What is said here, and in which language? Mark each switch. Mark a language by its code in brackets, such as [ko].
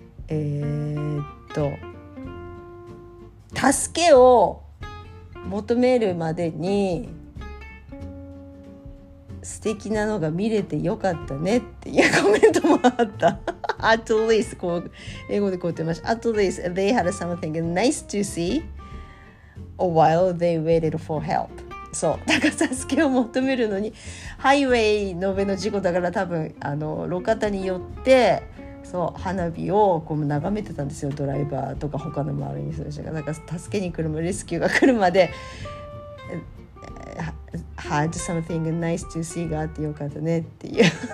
[ja] 助けを求めるまでに素敵なのが見れてよかったねっていうコメントもあった。 At least こう英語でこう言ってました。 [en] At least they had something nice to see while they waited for help。 [ja] そう、だから助けを求めるのにハイウェイの上の事故だから多分あの路肩によって。そう花火をこう眺めてたんですよ、ドライバーとか他の周りにする人が。なんか助けに来るまで、レスキューが来るまで [en] Had something nice to see [ja] があってよかったねっていう。